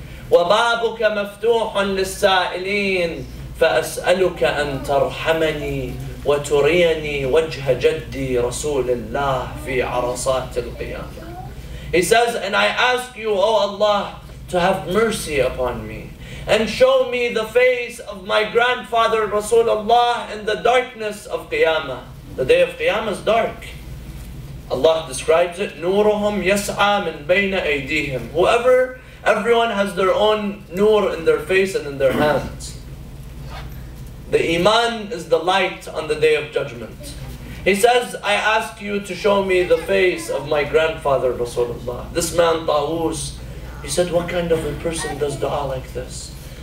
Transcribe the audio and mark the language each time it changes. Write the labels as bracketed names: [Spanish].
[Arabic] وَبَابُكَ مَفْتُوحٌ لِلسَّائِلِينَ فَأَسْأَلُكَ أَن تَرْحَمَنِي وَتُرِيَنِي وَجْهَ جَدِّي رَسُولِ اللَّهِ فِي عَرَصَاتِ الْقِيَامَةِ. [English] He says, and I ask you, O Allah, to have mercy upon me and show me the face of my grandfather Rasulullah in the darkness of Qiyamah. The day of Qiyamah is dark. Allah describes it, [Arabic] نُورُهُمْ يَسْعَى مِنْ بَيْنَ أَيْدِيهِمْ. [English] Whoever, everyone has their own nur in their face and in their hands. The iman is the light on the day of judgment. He says, I ask you to show me the face of my grandfather, Rasulullah. This man, Tawus, he said, what kind of a person does dua like this?